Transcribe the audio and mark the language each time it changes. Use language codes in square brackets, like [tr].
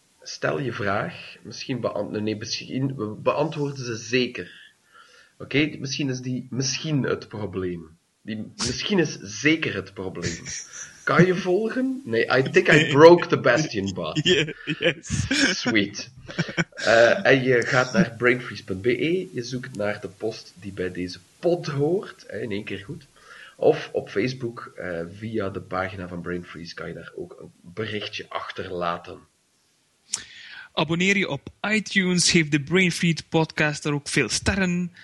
[nl] Stel je vraag, misschien beantwoorden ze zeker. Oké, misschien is die misschien het probleem. Die misschien is zeker het probleem. Kan je volgen? [en] Nee, I think I broke the Bastien bot. Yeah, yes. Sweet. [nl] En je gaat naar brainfreeze.be, je zoekt naar de post die bij deze pod hoort, in één keer goed. Of op Facebook, via de pagina van Brainfreeze, kan je daar ook een berichtje achterlaten. Abonneer je op iTunes, geef de Brainfeed podcast daar ook veel sterren.